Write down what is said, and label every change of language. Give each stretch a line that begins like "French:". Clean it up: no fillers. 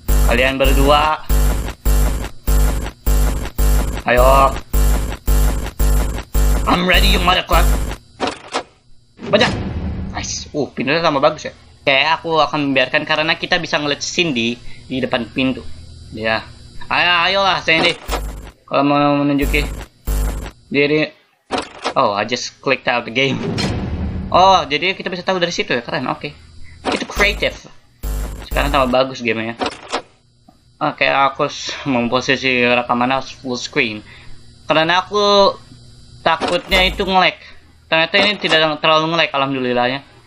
Indonesian: Kalian berdua. Ayo.
English: I'm ready, you mother clock.
Indonesian: Baca.
English: Nice.
Indonesian: Pintunya tambah bagus ya. Oke, aku akan membiarkan karena kita bisa ngeliat Cindy di depan pintu. Ya. Ayolah, Cindy. Kalau mau menunjuki diri.
English: Oh, I just clicked out the game.
Indonesian: Oh, jadi kita bisa tahu dari situ ya. Keren, oke. Itu creative. Sekarang tambah bagus gamenya. Oke, aku memposisi rekaman full screen. Karena aku takutnya itu nge-lag. Ternyata ini tidak terlalu nge-lag, alhamdulillahnya.